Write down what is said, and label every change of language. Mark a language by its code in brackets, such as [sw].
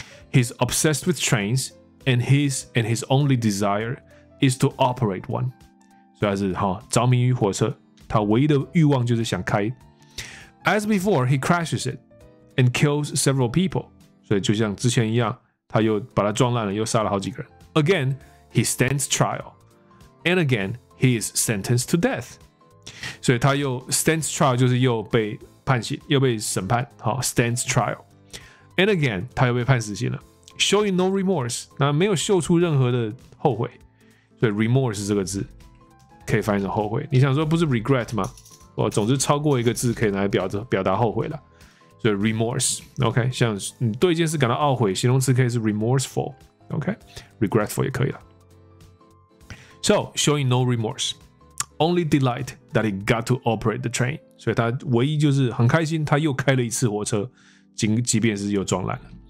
[en] He's obsessed with trains, and his only desire is to operate one. [zh] 所以他是哈着迷于火车，他唯一的欲望就是想开。 [en] As before, he crashes it and kills several people. [zh] 所以就像之前一样，他又把它撞烂了，又杀了好几个人。 [en] Again, he stands trial, and again. He is sentenced to death. [zh] 所以他又 stands trial 就是又被判刑，又被审判。好 ，stands trial. [en] And again, [zh] 他又被判死刑了。 [en] Showing no remorse, [zh] 那没有秀出任何的后悔。所以 remorse 这个字可以翻译成后悔。你想说不是 regret 吗？我总之超过一个字可以来表达后悔了。所以 remorse. OK， 像你对一件事感到懊悔，形容词可以是 remorseful. OK， regretful 也可以了。 [en] So showing no remorse, only delight that he got to operate the train. [zh] 所以他唯一就是很开心，他又开了一次火车，即便是又撞烂了。